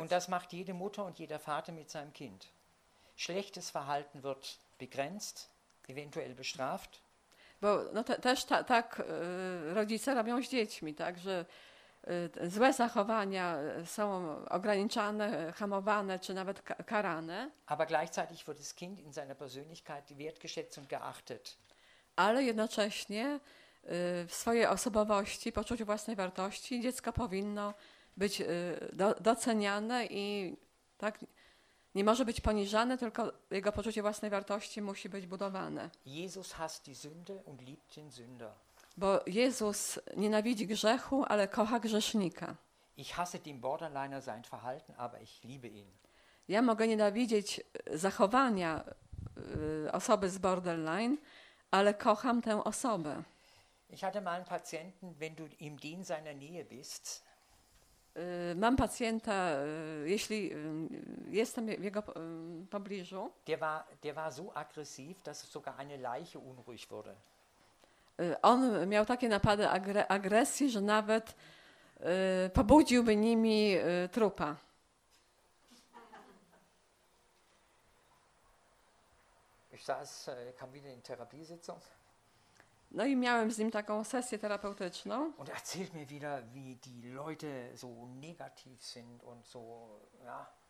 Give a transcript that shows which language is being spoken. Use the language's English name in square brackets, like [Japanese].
[German] Und das macht jede Mutter und jeder Vater mit seinem Kind. Schlechtes Verhalten wird begrenzt, eventuell bestraft. [Polish] Bo no, też tak rodzice robią z dziećmi, tak, że złe zachowania są ograniczane, hamowane czy nawet karane. [German] Aber gleichzeitig wird das Kind in seiner Persönlichkeit wertgeschätzt und geachtet. [Polish] Ale jednocześnie w swojej osobowości, poczuciu własnej wartości dziecko powinno być doceniane i tak nie może być poniżane, tylko jego poczucie własnej wartości musi być budowane. [German] Jesus hasst die Sünde und liebt den Sünder. [Polish] Bo Jezus nienawidzi grzechu, ale kocha grzesznika. [German] Ich hasse den Borderliner sein Verhalten, aber ich liebe ihn. [Polish] Ja mogę nienawidzieć zachowania osoby z borderline, ale kocham tę osobę. [German] Ich hatte mal einen Patienten, wenn du im Dien seiner Nähe bist. [Polish] Mam pacjenta, jeśli jestem w jego pobliżu. [German] Der war so aggressiv, dass sogar eine Leiche unruhig wurde. [Polish] On miał takie napady agresji, że nawet pobudziłby nimi trupa. [German] Ich saß, kam wieder in Therapiesitzung. [Polish] No i miałem z nim taką sesję terapeutyczną. [German] Und erzählt mir wieder, wie die Leute so negativ sind und so, ja.